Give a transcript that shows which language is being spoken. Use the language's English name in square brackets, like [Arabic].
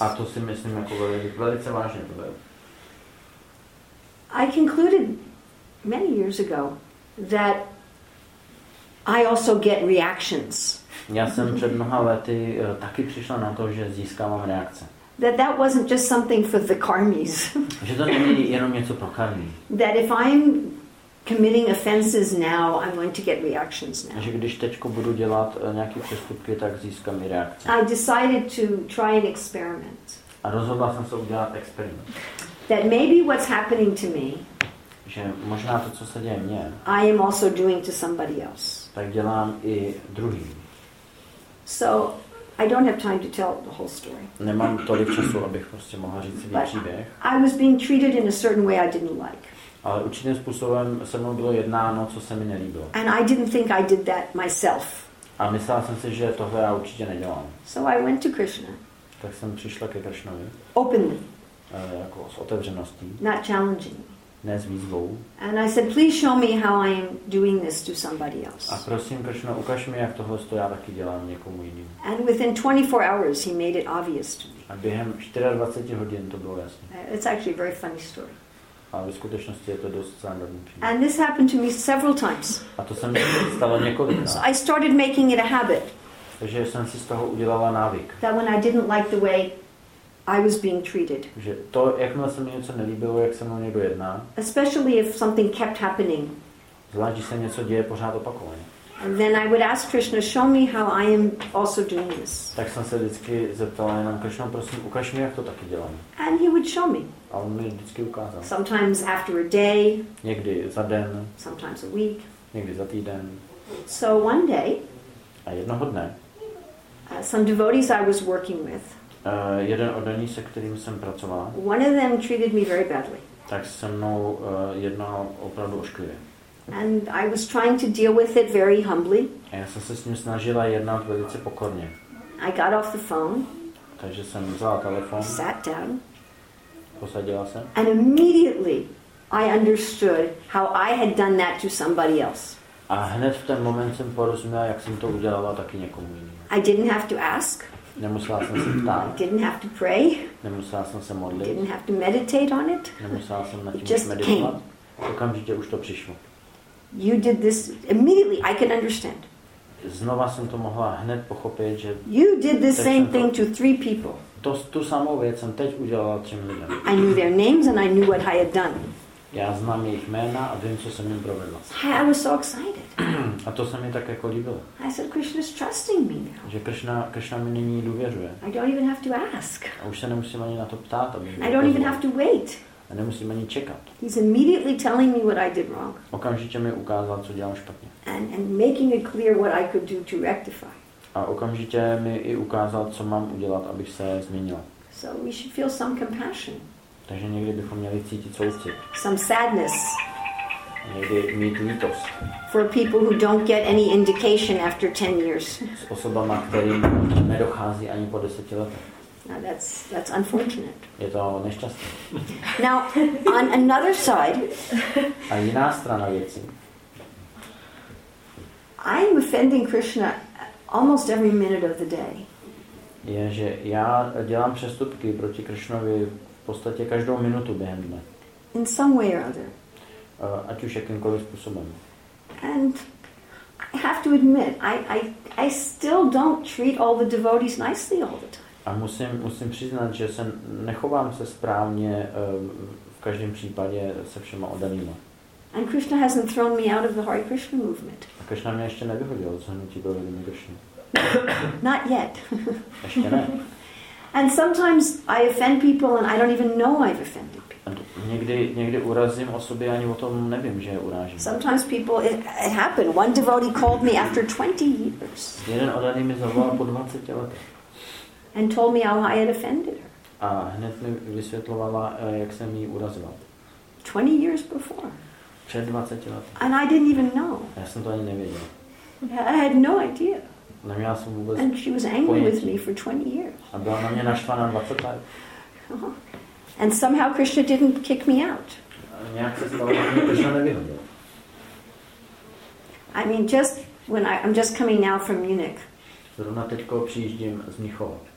[Czech] A to si myslím jako velice vážně. [English] I concluded many years ago that I also get reactions. [Czech] Já jsem před mnoha lety taky přišla na to, že získávám reakce. [English] That wasn't just something for the karmis. [Czech] Že to není jenom něco pro karmy. [English] That if I'm committing offenses now, I'm going to get reactions now. [Czech] Že když teďko budu dělat nějaké přestupky, tak získám i reakce. [English] I decided to try an experiment. [Czech] A rozhodla jsem se udělat experiment. [English] That maybe what's happening to me, [Czech] že možná to, co se děje mně, [English] I am also doing to somebody else. [Czech] Tak dělám i druhým. [English] So I don't have time to tell the whole story. [Czech] Nemám tolik času, abych prostě mohla říct celý příběh. [English] I was being treated in a certain way I didn't like. [Czech] Ale určitým způsobem se mnou bylo jednáno, co se mi nelíbilo. [English] And I didn't think I did that myself. [Czech] A myslela jsem si, že tohle já určitě nedělám. [English] So I went to Krishna. [Czech] Tak jsem přišla ke Krishnovi. [English] Openly. [Czech] Jako s otevřeností. [English] Not challenging. [Czech] Ne s výzvou. [English] And I said, please show me how I am doing this to somebody else. [Czech] A prosím, Krishna, ukaž mi, jak tohle to já taky dělám někomu jinému. [English] And within 24 hours, he made it obvious to me. [Czech] A během 24 hodin to bylo jasné. [English] It's actually a very funny story. [Czech] A ve skutečnosti je to dost zábavný příběh. [English] And this happened to me several times. [Czech] A to se mi stalo několikrát. [English] So I started making it a habit. [Czech] Takže jsem si z toho udělala návyk. [English] That when I didn't like the way I was being treated. [Czech] Že to, jakmile se mi něco nelíbilo, jak se mnou někdo jedná. [English] Especially if something kept happening. [Czech] Zvlášť, když se něco děje pořád opakovaně. [English] And then I would ask Krishna, show me how I am also doing this. [Czech] Tak jsem se vždycky zeptala jenom, Krishna, prosím, ukaž mi, jak to taky dělám. [English] And he would show me. [Czech] A on mi vždycky ukázal. [English] Sometimes after a day. [Czech] Někdy za den. [English] Sometimes a week. [Czech] Někdy za týden. [English] So one day. [Czech] A jednoho dne. [English] Some devotees I was working with. [Czech] Jeden oddaný, se kterým jsem pracovala. [English] One of them treated me very badly. [Czech] Tak se mnou jednal opravdu ošklivě. [English] And I was trying to deal with it very humbly. [Czech] A já jsem se s ním snažila jednat velice pokorně. [English] I got off the phone. [Czech] Takže jsem vzala telefon. [English] Sat down. [Czech] Posadila se. [English] And immediately I understood how I had done that to somebody else. [Czech] A hned v ten moment jsem porozuměla, jak jsem to udělala taky někomu jinému. [English] I didn't have to ask. [Czech] Nemusela jsem se ptát. [English] Didn't have to pray. [Czech] Nemusela jsem se modlit. [English] Didn't have to meditate on it. [Czech] Nemusela jsem na tím meditovat. Okamžitě už to přišlo. [English] You did this immediately. I can understand. [Czech] Znova jsem to mohla hned pochopit, že. [English] You did the same thing to three people. [Czech] To tu samou věc jsem teď udělala třem lidem. [English] I knew their names and I knew what I had done. [Czech] Já znám jejich jména a vím, co jsem jim provedla. [English] I was so excited. [Czech] A to se mi tak jako líbilo. [English] I said, Krishna's trusting me now. [Czech] Že Krishna mi nyní důvěřuje. [English] I don't even have to ask. [Czech] A už se nemusím ani na to ptát. [English] I don't pozvat. Even have to wait. [Czech] A nemusím ani čekat. [English] He's immediately telling me what I did wrong. [Czech] Okamžitě mi ukázal, co dělám špatně. [English] And making it clear what I could do to rectify. [Czech] A okamžitě mi i ukázal, co mám udělat, abych se změnila. [English] So we should feel some compassion. [Czech] Takže někdy bychom měli cítit soucit. [English] Some sadness. [Czech] Někdy mít lítost. [English] For people who don't get any indication after 10 years. [Czech] S osobama, kterým nedochází ani po 10 letech. [English] Now that's unfortunate. [Czech] Je to nešťastné. [English] Now on another side. [Czech] A jiná strana věcí. [English] I'm offending Krishna almost every minute of the day. [Czech] Je, že já dělám přestupky proti Krishnovi v podstatě každou minutu během dne. [English] In some way or other. [Czech] Ať už jakýmkoliv způsobem. [English] And I have to admit, I still don't treat all the devotees nicely all the time. [Czech] A musím přiznat, že se nechovám se správně v každém případě se všema oddanýma. [English] And Krishna hasn't thrown me out of the Hare Krishna movement. [Czech] A Krishna mě ještě nevyhodil z hnutí Govinda Krishna. [English] Not yet. [Czech] Ještě ne. [English] And sometimes I offend people and I don't even know I've offended people. [Czech] Někdy urazím osoby, ani o tom nevím, že je urážím. [English] Sometimes people it happened. One devotee called me after 20 years. [Czech] Jeden oddaný mi zavolal po 20 letech. [English] And told me how I had offended her. [Czech] A hned mi vysvětlovala, jak jsem jí urazila. [English] 20 years before. [Czech] Před 20 lety. [English] And I didn't even know. [Czech] Já jsem to ani nevěděl. [English] I had no idea. [Czech] Neměla jsem vůbec [English] and she was angry with me for 20 years. [Czech] A byla na mě naštvaná 20 let. [English] And somehow Krishna didn't kick me out. [Czech] Nějak se stalo, že Krishna nevyhodil. [English] I mean, just when I'm just coming now from Munich. [Czech] Zrovna teďko přijíždím z Mnichova.